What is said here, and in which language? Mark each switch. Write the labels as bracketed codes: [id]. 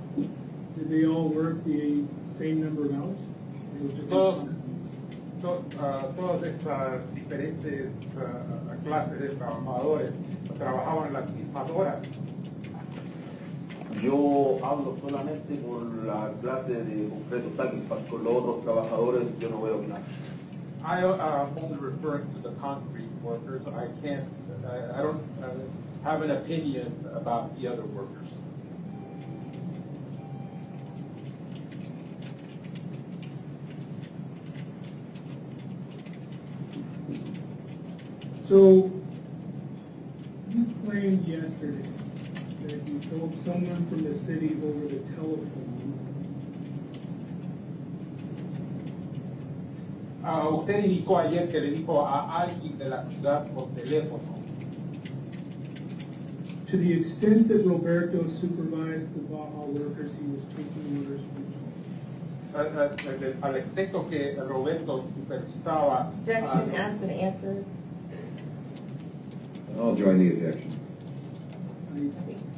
[en] Did they all work the same number of hours? [es] Todas estas diferentes clases de trabajadores trabajaban las mismas horas. Yo hablo solamente por la clase de concreto Tagifas. Con los otros trabajadores, yo no veo nada. [en] I am only referring to the concrete workers. I can't, I don't have an opinion about the other workers. So, you claimed yesterday that you told someone from the city over the telephone. [es] Usted indicó ayer que le dijo a alguien de la ciudad por teléfono. [en] To the extent that Roberto supervised the Baja workers, he was taking orders from them. [es] Al extento que Roberto supervisaba... [en] Objection, ask and answer. I'll join the objection.